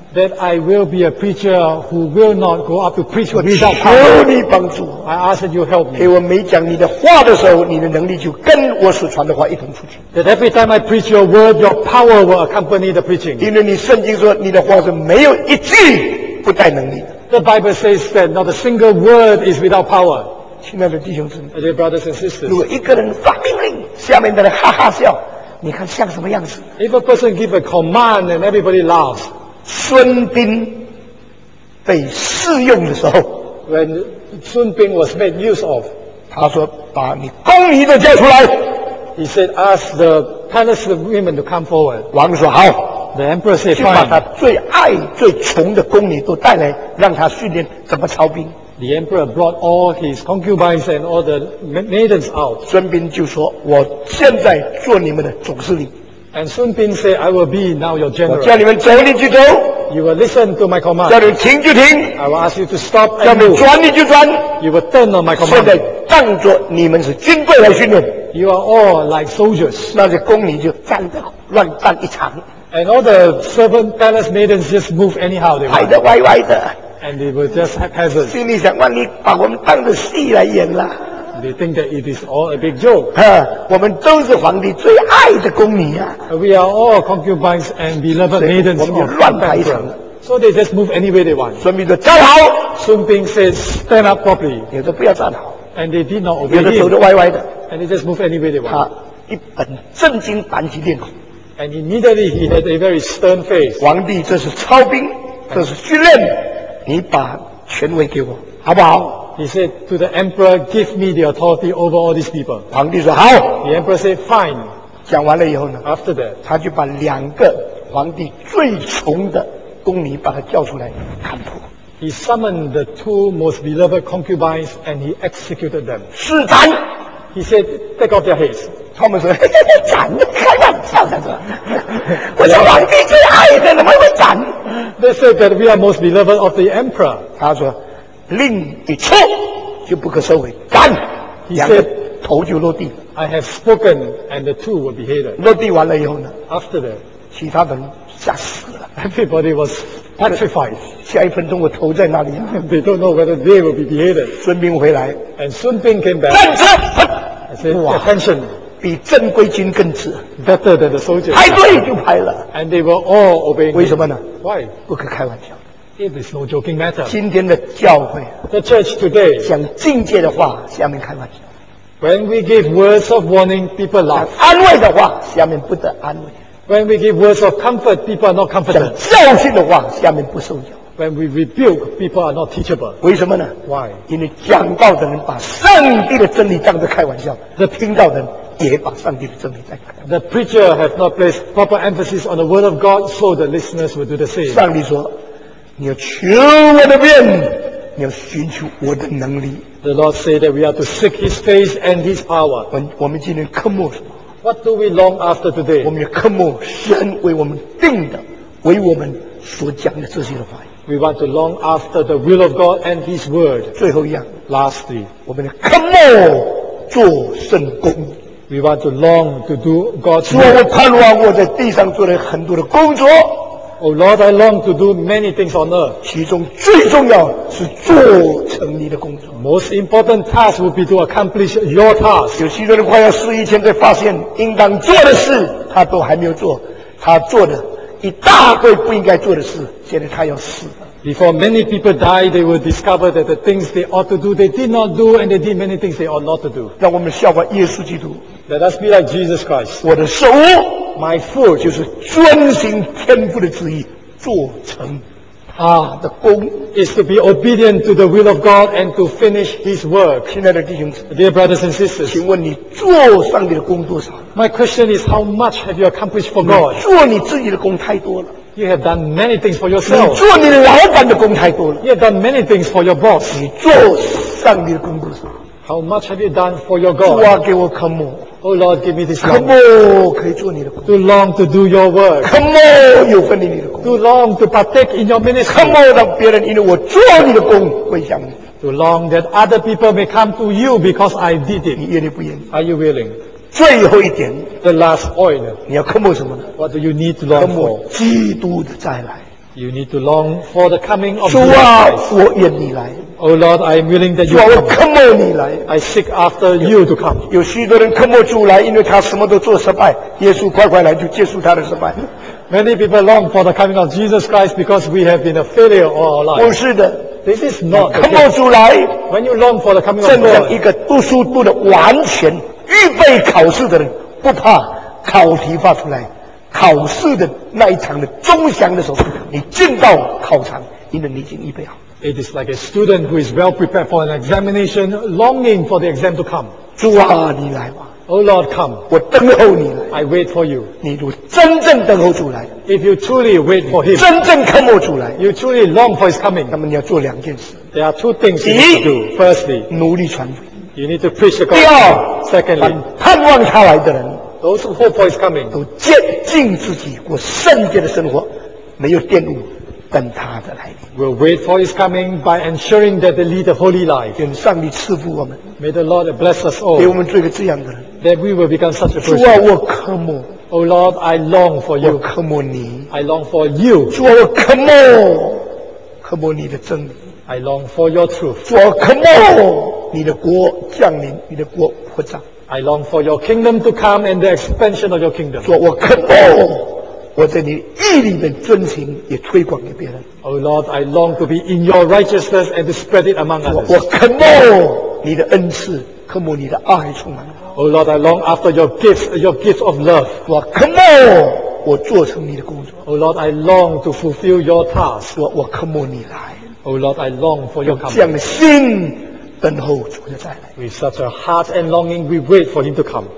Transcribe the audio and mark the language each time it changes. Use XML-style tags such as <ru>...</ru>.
<en>That I will be a preacher who will not go up to preach without power.</en> <zh>我求你帮助我。</zh> <en>I ask that you help me.</en> <zh>给我每讲你的话的时候，你的能力就跟我所传的话一同出去。</zh> <en>That every time I preach your word, your power will accompany the preaching.</en> <zh>因为你圣经说你的话是没有一句不带能力的。</zh> <en>The Bible says that not a single word is without power.</en> <zh>亲爱的弟兄姊妹</zh> <en>，Dear brothers and sisters，</en> <zh>如果一个人发命令，下面的人哈哈笑，你看像什么样子</zh> <en>？If a person give a command and everybody laughs。</en> <zh>孙膑被试用的时候</zh> <en>，When 孙膑 was made use of，</en> <zh>他说：“把你宫女都叫出来。</zh> <en>”He said, "Ask the palace women to come forward."</en> <zh>王说：“好。</zh> <en>The emperor said,</en> <zh>去把他最爱最穷的宫女都带来，让他训练怎么操兵。</zh> <en>The emperor brought all his concubines and all the maidens out.</en> <zh>孙膑就说，我现在做你们的总司令。</zh> <en>And Sun Bin said, I will be now your general.</en> <zh>我叫你们走，你就走。</zh> <en>You will listen to my command.</en> <zh>叫你们停就停。</zh> <en>I will ask you to stop and</en> <zh>叫你们转你就转。</zh> <en>You will turn on my command.</en> <zh>现在当作你们是军队来训练。</zh> <en>You are all like soldiers.</en> <zh>那些宫女就站得乱站一场。</zh> <en>And all the servant palace maidens just move anyhow.</en> <zh>排得歪歪的。</zh> <en>And they were just haphazard.</en> <zh>心里想，万一把我们当作戏来演了。</zh> <en>They think that it is all a big joke.</en> <zh>我们都是皇帝最爱的宫女啊。</zh> <en>We are all concubines and beloved maidens.</en> <zh>我们就乱排一场。</zh> <en>So they just move any way they want.</en> <zh>孙膑说站好。</zh> <en>孙膑 says stand up properly.</en> <zh>有的不要站好。</zh> <en>And they did not obey.</en> <zh>有的走得歪歪的。</zh> <en>And they just move any way they want.</en> <zh>他一本正经板起脸。</zh> <en>And immediately he had a very stern face.</en> <zh>皇帝，这是操兵，这是训练，你把权威给我，好不好？</zh> <en>He said to the emperor, give me the authority over all these people.</en> <zh>皇帝说好。</zh> <en>The emperor said, fine.</en> <zh>讲完了以后呢</zh> <en>？After that,</en> <zh>他就把两个皇帝最穷的宫女把他叫出来砍头。</zh> <en>He summoned the two most beloved concubines and he executed them.</en> <zh>是斩。</zh> <en>He said, take off their heads.</en> <zh>他们说斩，开玩笑的，我是皇帝最爱的，怎么会斩</zh> <en>？They said that we are most beloved of the emperor.</en> <zh>他说。令一切就不可收回，干！两个头就落地。</zh> <en>I have spoken, and the two were beheaded.</en> <zh>落地完了以后呢</zh> <en>？After that,</en> <zh>其他人吓死了。</zh> <en>Everybody was petrified.</en> <zh>下一分钟我头在哪里、啊、</zh> <en>？They don't know whether they will be beheaded.</en> <zh>孙膑回来</zh> <en>，and Sun Bin came back.</en> <zh>站直</zh> <en>！I said, attention.</en> <zh>比正规军更直。</zh> <en>Better than the soldiers.</en> <zh>排队就排了。</zh> <en>And they were all obeying.</en> <zh>为什么呢</zh> <en>？Why?</en> <zh>不可开玩笑。</zh> <en>It is no joking matter.</en> <zh>今天的教会</zh> <en>，The church today</en> <zh>讲境界的话，下面开玩笑。</zh> <en>When we give words of warning, people laugh.</en> <zh>安慰的话，下面不得安慰。</zh> <en>When we give words of comfort, people are not comforted.</en> <zh>讲教训的话，下面不受用。</zh> <en>When we rebuke, people are not teachable.</en> <zh>为什么呢</zh> <en>？Why?</en> <zh>因为讲道的人把上帝的真理当作开玩笑，那听到的人。也把上帝的真理在看。</zh> <en>The preacher has not placed proper emphasis on the word of God, so the listeners will do the same.</en> <zh>上帝说。你要求我的面，你要寻求我的能力。</zh> <en>The Lord said that we are to seek His face and His power.</en> <zh>我们今天渴慕什么</zh> <en>？What do we long after today？</en> <zh>我们要渴慕神为我们定的，为我们所讲的这些的话语。</zh> <en>We want to long after the will of God and His word.</en> <zh>最后一样</zh> <en>，Lastly，</en> <zh>我们要渴慕做圣工。</zh> <en>We want to long to do God's work.</en> <zh>我盼望我在地上做了很多的工作。</zh> <en>Oh Lord, I long to do many things on earth.</en> <zh>其中最重要是做成你的工作。</zh> <en>Most important task would be to accomplish your task.</en> <zh>有些人快要失忆，现在发现应当做的事他都还没有做，他做的一大堆不应该做的事，现在他要死了。</zh> <en>Before many people die, they will discover that the things they ought to do, they did not do, and they did many things they ought not to do.</en> <zh>让我们效法耶稣基督。</zh> <en>Let us be like Jesus Christ.</en> <zh>我的手。</zh> <en>My food</en> <zh>就是遵行天父的旨意，做成他的工。</zh> <en>Is to be obedient to the will of God and to finish His work.</en> <zh>亲爱的弟兄姊妹</zh> <en>，Dear brothers and sisters，</en> <zh>请问你做上帝的工多少</zh> <en>？My question is how much have you accomplished for God？</en> <zh>你做你自己的工太多了。</zh> <en>You have done many things for yourself.</en> <zh>你做你老板的工太多了。</zh> <en>You have done many things for your boss.</en> <zh>你做上帝的工多少</zh> <en>？How much have you done for your God？</en> <zh>主啊，给我渴慕。</zh> <en>Oh Lord, give me this love.</en> <zh>渴慕可以做你的工。</zh> <en>To long to do your work.</en> <zh>渴慕有份你的工。</zh> <en>To long to partake in your ministry.</en> <zh>渴慕让别人因为我做你的工归向你。</zh> <en>To long that other people may come to you because I did it.</en> <zh>你愿意不愿意</zh> <en>？Are you willing?</en> <zh>最后一点。</zh> <en>The last point.</en> <zh>你要渴慕什么呢</zh> <en>？What do you need to long for?</en> <zh>渴慕基督的再来。</zh> <en>You need to long for the coming of Jesus.</en> <zh>主啊，我愿意来。</zh> <en>Oh Lord, I am willing that you come.</en> <zh>主啊，我渴慕你来。</zh> <en>I seek after you to come.</en> <zh>有许多人渴慕主来，因为他什么都做失败，耶稣快快来就结束他的失败。</zh> <en>Many people long for the coming of Jesus Christ because we have been a failure all our life.</en> <zh>不是的</zh> <en>，This is not.</en> <zh>渴慕主来。</zh> <en>When you long for the coming of Jesus,</en> <zh>正像一个读书读的完全预备考试的人，不怕考题发出来，考试的那一场的钟响的时候，你进到考场，因为你已经预备好。</zh> <en>It is like a student who is well prepared for an examination, longing for the exam to come.</en> <zh>主啊，你来吧。</zh> <en>Oh Lord, come.</en> <zh>我等候你来。</zh> <en>I wait for you.</en> <zh>你如真正等候主来。</zh> <en>If you truly wait for him.</en> <zh>真正看我主来。</zh> <en>You truly long for his coming.</en> <zh>那么你要做两件事。</zh> <en>There are two things you need to do. Firstly,</en> <zh>努力传福音。</zh> <en>You need to preach the gospel.</en> <zh>第二</zh> <en>，Secondly,</en> <zh>盼望他来的人</zh> <en>，Those who hope for his coming.</en> <zh>都竭尽自己过圣洁的生活，没有玷污。等他的来临</zh> <en>We'll wait for his coming by ensuring that they lead a holy life.</en> <zh>愿上帝赐福我们</zh> <en>May the Lord bless us all.</en> <zh>给我们做一个这样的人</zh> <en>That we will become such a person.</en> <zh>主啊，我渴慕</zh> <en>Oh Lord, I long for you.</en> <zh>我渴慕你</zh> <en>I long for you.</en> <zh>主啊，我渴慕渴慕你的真理</zh> <en>I long for your truth.</en> <zh>主啊，我渴慕你的国降临，你的国扩张</zh> <en>I long for your kingdom to come and the expansion of your kingdom.</en> <zh>主啊，我渴慕我在你义里面遵循，也推广给别人。</zh> <en>Oh Lord, I long to be in your righteousness and to spread it among others.</en> <zh>我渴慕你的恩赐，渴慕你的爱充满。</zh> <en>Oh Lord, I long after your gifts of love.</en> <zh>我渴慕我做成你的工作。</zh> <en>Oh Lord, I long to fulfill your task.</en> <zh>我渴慕你来。</zh> <en>Oh Lord, I long for your coming.</en> <zh>这样的心等候主的再来。</zh> <en>With such a heart and longing, we wait for him to come.</en>